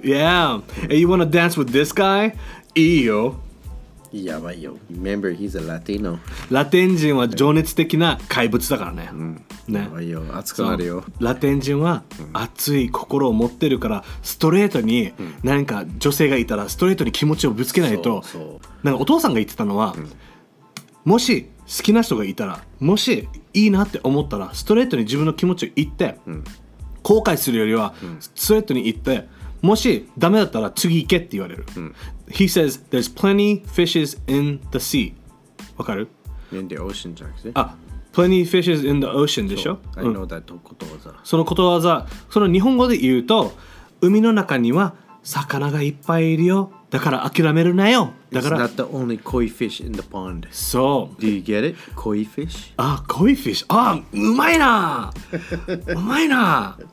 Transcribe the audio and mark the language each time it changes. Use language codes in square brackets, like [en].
[en] Yeah, you wanna dance with this guy? [ja] いいよ。やばいよ。 [en] Remember, he's a Latino. [ja] ラテン人は情熱的な怪物だからね、うん、ね、やばいよ、熱くなるよ。ラテン人は熱い心を持ってるから、ストレートに何か女性がいたらストレートに気持ちをぶつけないと。そうなんかお父さんが言ってたのは、うん、もし好きな人がいたら、もしいいなって思ったら、ストレートに自分の気持ちを言って、うん、後悔するよりはストレートに言って、もしダメだったら次行けって言われる、うん、 [en] He says there's plenty fishes in the sea。 [ja] わかる？ [en] In the ocean [ja] じゃなくて、 [en] あ、Plenty fishes in the ocean [ja] でしょ。 [en] I know that、うん、ことわざ。 [ja] そのことわざ、その日本語で言うと、海の中には魚がいっぱいいるよ、だから諦めるなよ、だから。 [en] It's not the only koi fish in the pond。 [ja] そう。 [en] Do you get it? Koi fish? [ja] あ、koi fish。あ、うまいな。うまいな。